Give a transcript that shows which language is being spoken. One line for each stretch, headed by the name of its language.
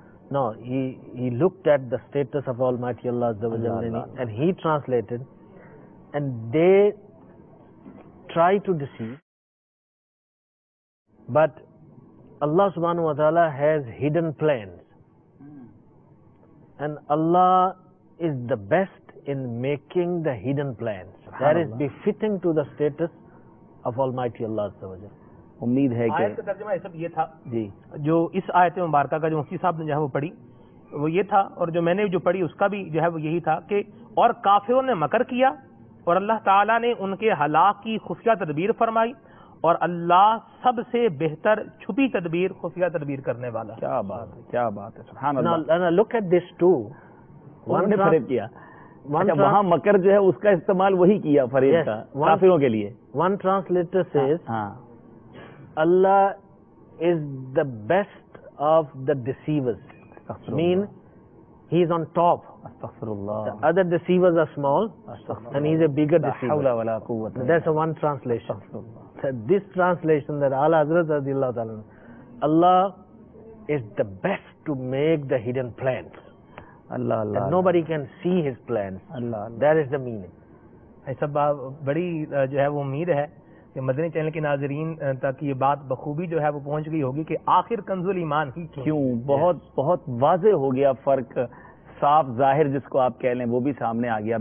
English: No, he looked at the status of Almighty Allah Azza wa Jalla and he translated, and they try to deceive, but Allah subhanahu wa ta'ala has hidden plans, and Allah is the best in making the hidden plans that is befitting to the status of Almighty Allah Azza wa Jalla.
Urdu: امید ہے کہ آیت کا ترجمہ یہ سب یہ تھا جی جو اس آیت مبارکہ کا جو مفتی صاحب نے جو ہے وہ پڑھی وہ یہ تھا, اور جو میں نے جو پڑھی اس کا بھی جو ہے وہ یہی تھا کہ اور کافروں نے مکر کیا اور اللہ تعالیٰ نے ان کے ہلاک کی خفیہ تدبیر فرمائی, اور اللہ سب سے بہتر چھپی تدبیر خفیہ تدبیر کرنے والا. کیا بات ہے, کیا بات ہے, سبحان اللہ.
English: Now look at this too.
Urdu: انہوں نے فریب کیا. وہاں مکر جو ہے اس کا استعمال وہی کیا فریب کا کافروں کے لیے.
English: One translator says Allah is the best of the deceivers. Mean he is on top. Astaghfirullah. The other deceivers are small and he is a bigger deceiver. That's a one translation. This translation that Ala Hazrat radiallahu ta'ala, Allah is the best to make the hidden plans. Allah, Allah. And nobody can see his plans. Allah, Allah. That is the meaning.
Urdu: Hai sab badi jo hai wo umeed hai کہ مدنی channel کے ناظرین تک یہ بات بخوبی جو ہے وہ پہنچ گئی ہوگی کہ آخر کنز الایمان ہی کیوں. بہت بہت واضح ہو گیا فرق, صاف ظاہر جس کو آپ کہہ لیں وہ بھی سامنے آ گیا.